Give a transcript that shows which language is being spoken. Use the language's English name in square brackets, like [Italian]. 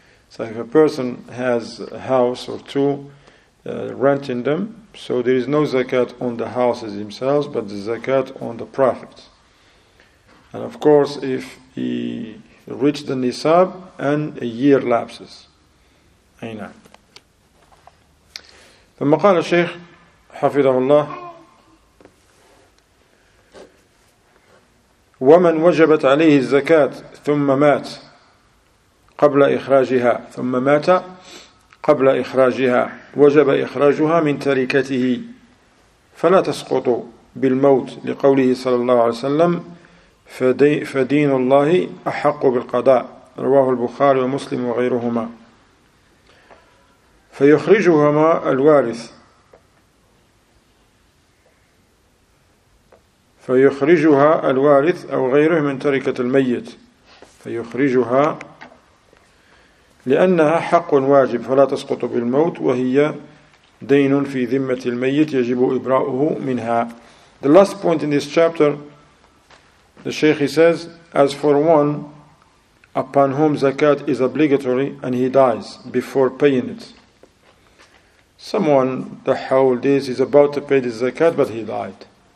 [English] So if a person has a house or two renting them, so there is no zakat on the houses themselves, but the zakat on the profits. And of course, if he reached the nisab and a year lapses. Aina. [Arabic] ثم قال الشيخ حفظه الله ومن وجبت عليه الزكاة ثم مات قبل إخراجها ثم مات قبل إخراجها وجب إخراجها من تركته فلا تسقط بالموت لقوله صلى الله عليه وسلم فدين الله أحق بالقضاء رواه البخاري ومسلم وغيرهما فيخرجهما الوارث فيخرجها الوارث أو غيره من تركة الميت فيخرجها لأنها حق واجب فلا تسقط بالموت وهي دين في ذمة الميت يجب إبراؤه منها. [English] The last point in this chapter, the Sheikh, he says, as for one upon whom zakat is obligatory and he dies before paying it. Someone, the hawl this, is about to pay the zakat, but he died.